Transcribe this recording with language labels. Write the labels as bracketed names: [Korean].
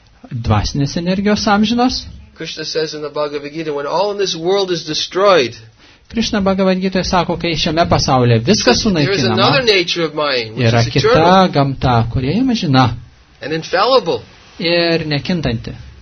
[Lithuanian] Dvasinės energijos amžinos. [English] Krishna says in the Bhagavad Gita, when all in this world is destroyed, [Lithuanian] Krišna Bhagavad Gita sako, kai šiame pasaulyje viskas sunaikinama, yra kita gamta, kurie jame žina ir nekintanti.